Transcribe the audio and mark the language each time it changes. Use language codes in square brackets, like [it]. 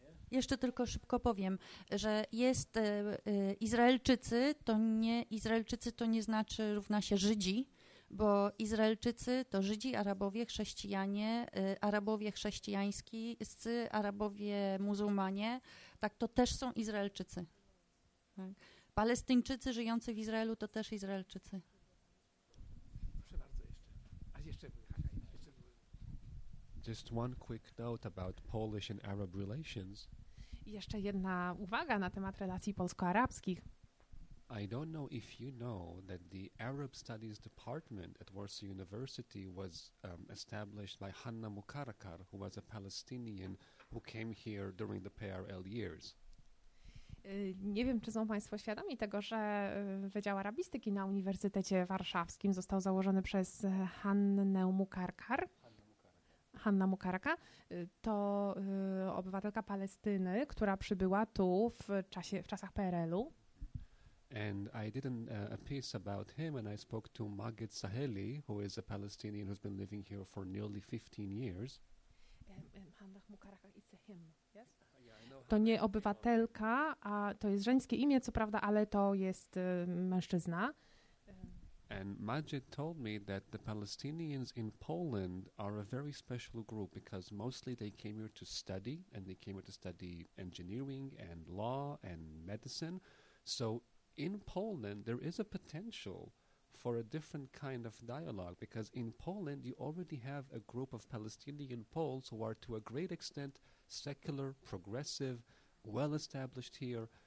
[pl] Jeszcze tylko szybko powiem, że jest Izraelczycy, to nie Izraelczycy, to nie znaczy równa się Żydzi, bo Izraelczycy to Żydzi, Arabowie, chrześcijanie, Arabowie chrześcijańscy, Arabowie muzułmanie, tak, to też są Izraelczycy. Tak? Palestyńczycy żyjący w Izraelu to też Izraelczycy. Proszę bardzo, jeszcze. [en] Just one quick note about Polish and Arab relations. [pl] Jeszcze jedna uwaga na temat relacji polsko-arabskich. [en] I don't know if you know that the Arab Studies Department at Warsaw University was established by Hanna Mukarkar, who was a Palestinian who came here during the PRL years. [pl] Nie wiem, czy są Państwo świadomi tego, że Wydział Arabistyki na Uniwersytecie Warszawskim został założony przez Hannę Mukarkar. Hanna Mukarka to obywatelka Palestyny, która przybyła tu w czasach PRL-u. [en] And I did a piece about him and I spoke to Maged Saheli, who is a Palestinian who's been living here for nearly 15 years. Hanna Mukarka, it's a him, yes? [pl] To nie obywatelka, a to jest żeńskie imię, co prawda, ale to jest mężczyzna. [en] And Majid told me that the Palestinians in Poland are a very special group because mostly they came here to study, and they came here to study engineering and law and medicine. So in Poland there is a potential for a different kind of dialogue because in Poland you already have a group of Palestinian Poles who are to a great extent secular, progressive, well established here.